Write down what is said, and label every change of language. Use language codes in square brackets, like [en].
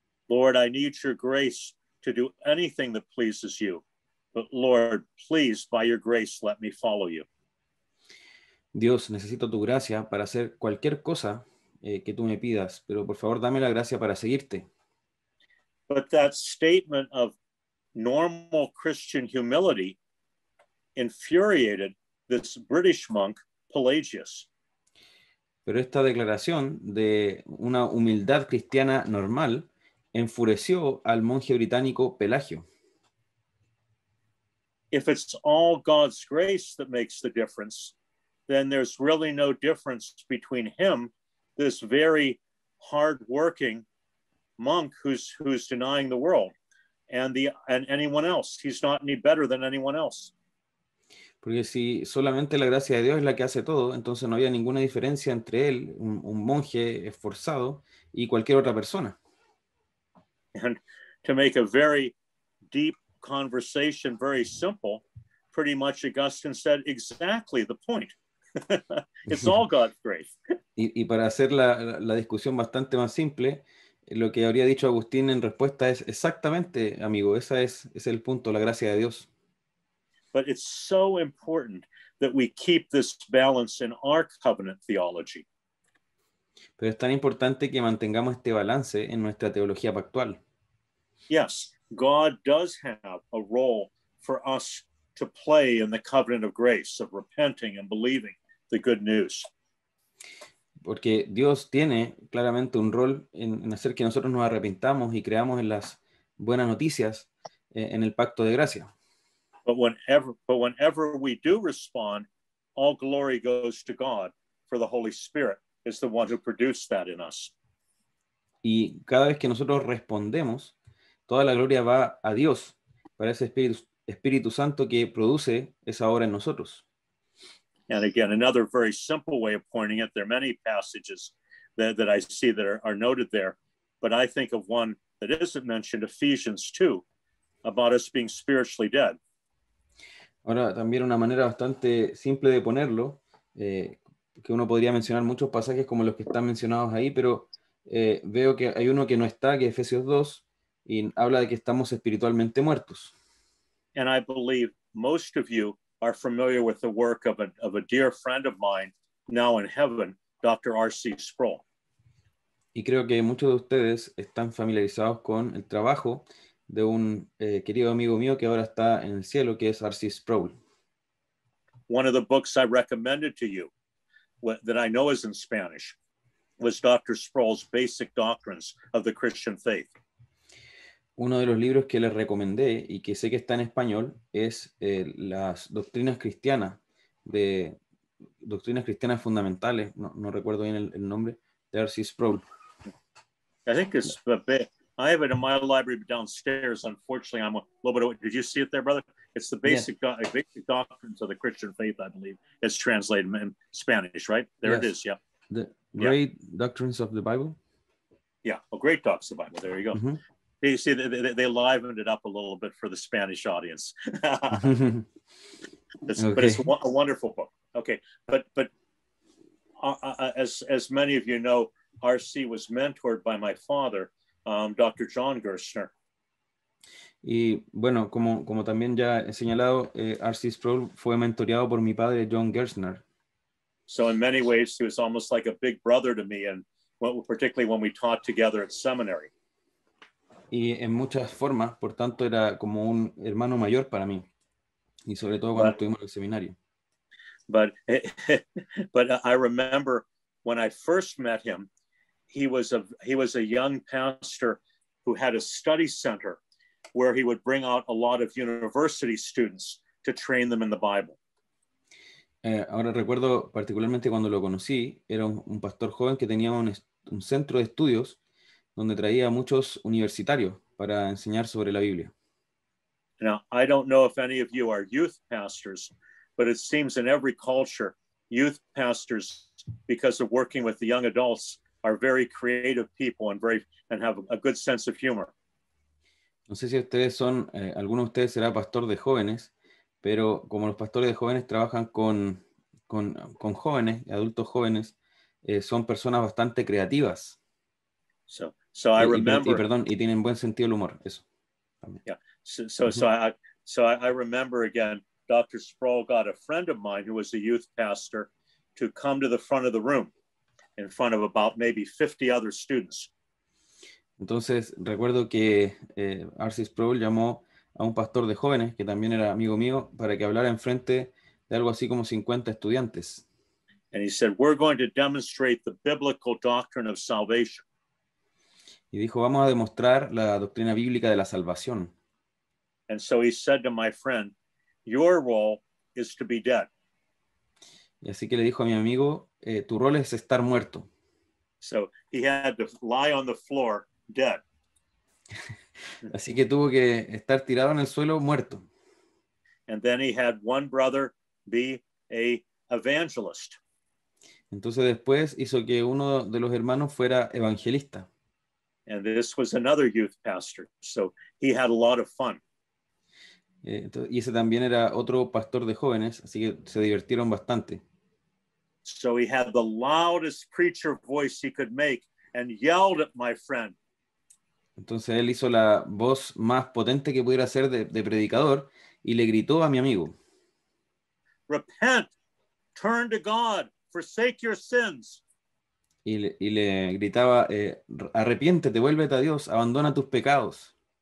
[en] Lord, I need your grace to do anything that pleases you. But Lord, please, by your grace, let me follow you. [es] Dios, necesito tu gracia para hacer cualquier cosa que tú me pidas, pero por favor, dame la gracia para seguirte. [en] But that statement of normal Christian humility infuriated this British monk, Pelagius. [es] Pero esta declaración de una humildad cristiana normal enfureció al monje británico Pelagio. [en] If it's all God's grace that makes the difference, then there's really no difference between him, this very hard-working monk who's denying the world, and anyone else. He's not any better than anyone else. [es] Porque si solamente la gracia de Dios es la que hace todo, entonces no había ninguna diferencia entre él, un monje esforzado, y cualquier otra persona. [en] And to make a very deep conversation very simple, pretty much Augustine said exactly the point. It's all God's grace. [es] Y para hacer la discusión bastante más simple, lo que habría dicho Agustín en respuesta es exactamente, amigo, ese es el punto, la gracia de Dios. [en] But it's so important that we keep this balance in our covenant theology. [es] Pero es tan importante que mantengamos este balance en nuestra teología pactual. [en] Yes, God does have a role for us to play in the covenant of grace, of repenting and believing the good news. [es] Porque Dios tiene claramente un rol en hacer que nosotros nos arrepintamos y creamos en las buenas noticias en el pacto de gracia. [en] But whenever we do respond, all glory goes to God, for the Holy Spirit is the one who produced that in us. [es] Y cada vez que nosotros respondemos, toda la gloria va a Dios, para ese Espíritu Santo que produce esa obra en nosotros. [en] And again, another very simple way of pointing it, there are many passages that I see that are noted there, but I think of one that isn't mentioned, Ephesians 2, about us being spiritually dead. [es] Ahora, también una manera bastante simple de ponerlo, que uno podría mencionar muchos pasajes como los que están mencionados ahí, pero veo que hay uno que no está, que es Efesios 2, y habla de que estamos espiritualmente muertos. [en] And I believe most of you are familiar with the work of a dear friend of mine, now in heaven, Dr. R.C. Sproul. [es] Y creo que muchos de ustedes están familiarizados con el trabajo de un querido amigo mío que ahora está en el cielo, que es R.C. Sproul. [en] One of the books I recommended to you, that I know is in Spanish, was Dr. Sproul's Basic Doctrines of the Christian Faith. [es] Uno de los libros que le recomendé y que sé que está en español es Las Doctrinas Cristianas, de Doctrinas Cristianas Fundamentales, no recuerdo bien el nombre, de R.C. Sproul. [en] I think it's a bit... I have it in my library downstairs. Unfortunately, I'm a little bit away. Did you see it there, brother? It's the basic, yeah. Basic doctrines of the Christian faith, I believe. It's translated in Spanish, right? There yes. It is, yeah. The great doctrines of the Bible? Yeah, well, great doctrines of the Bible. There you go. Mm-hmm. You see, they livened it up a little bit for the Spanish audience. But it's a wonderful book. Okay, but as many of you know, R.C. was mentored by my father, Dr. John Gerstner. [es] Y bueno, como también ya he señalado, R.C. Sproul fue mentoreado por mi padre, John Gerstner. [en] So in many ways, he was almost like a big brother to me, and particularly when we taught together at seminary. [es] Y en muchas formas, por tanto, era como un hermano mayor para mí, y sobre todo cuando estuvimos en el seminario. [en] But I remember when I first met him, He was a young pastor who had a study center where he would bring out a lot of university students to train them in the Bible. [es] Ahora recuerdo particularmente cuando lo conocí, era un pastor joven que tenía un centro de estudios donde traía muchos universitarios para enseñar sobre la Biblia. [en] Now, I don't know if any of you are youth pastors, but it seems in every culture, youth pastors, because of working with the young adults, are very creative people and brave and have a good sense of humor. [es] No sé si ustedes son, alguno de ustedes será pastor de jóvenes, pero como los pastores de jóvenes trabajan con jóvenes, adultos jóvenes, son personas bastante creativas. [en] So I remember. [es] Y tienen buen sentido del humor, eso. También. [en] Yeah. So I remember again, Dr. Sproul got a friend of mine who was a youth pastor to come to the front of the room. In front of about maybe 50 other students. [es] Entonces, recuerdo que R.C. Sproul llamó a un pastor de jóvenes, que también era amigo mío, para que hablara enfrente de algo así como 50 estudiantes. [en] And he said, we're going to demonstrate the biblical doctrine of salvation. [es] Y dijo, vamos a demostrar la doctrina bíblica de la salvación. [en] And so he said to my friend, your role is to be dead. [es] Y así que le dijo a mi amigo, tu rol es estar muerto. [en] So he had to lie on the floor dead. [es] Así que tuvo que estar tirado en el suelo muerto. [en] And then he had one brother be a evangelist. [es] Entonces después hizo que uno de los hermanos fuera evangelista. [en] And this was another youth pastor, so he had a lot of fun. [es] Y ese también era otro pastor de jóvenes, así que se divirtieron bastante. [en] So he had the loudest preacher voice he could make and yelled at my friend. [es] Entonces él hizo la voz más potente que pudiera hacer de predicador y le gritó a mi amigo. [en] Repent, turn to God. Forsake your sins. [es] Y le gritaba, arrepiéntete, vuélvete a Dios, abandona tus pecados.